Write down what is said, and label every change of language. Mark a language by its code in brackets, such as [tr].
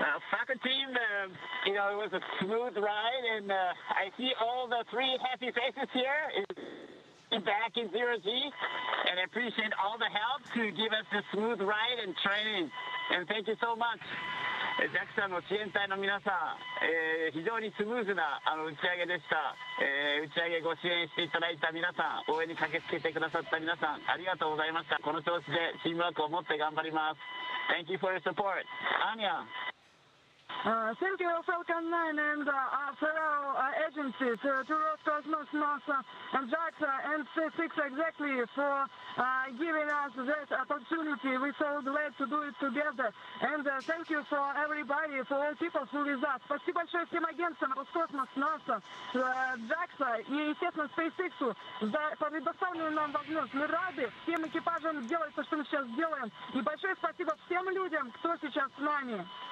[en] Falcon team, you know, it was a smooth ride, and I see all the three happy faces here. Back in zero-G, and I appreciate all the help to give us this smooth ride and training. And thank you so much. [ja] JAXA の支援隊の皆さん、非常にスムーズな打ち上げでした。打ち上げご支援していただいた皆さん、応援に駆けつけてくださった皆さん、ありがとうございました。この調子でチームワークをもって頑張ります。 [en] Thank you for your support. Anya. Thank you, Falcon 9 and our fellow agencies, to Roscosmos, NASA, and JAXA, and SpaceX exactly for giving us this opportunity. We're so glad to do it together. And thank you for everybody, for all people who with us. [ru] Спасибо большое всем агентствам, Роскосмос, NASA, JAXA и, естественно, SpaceX за предоставленную нам возможность. Мы рады всем экипажам делать то, что мы сейчас делаем. И большое спасибо всем людям, кто сейчас с нами.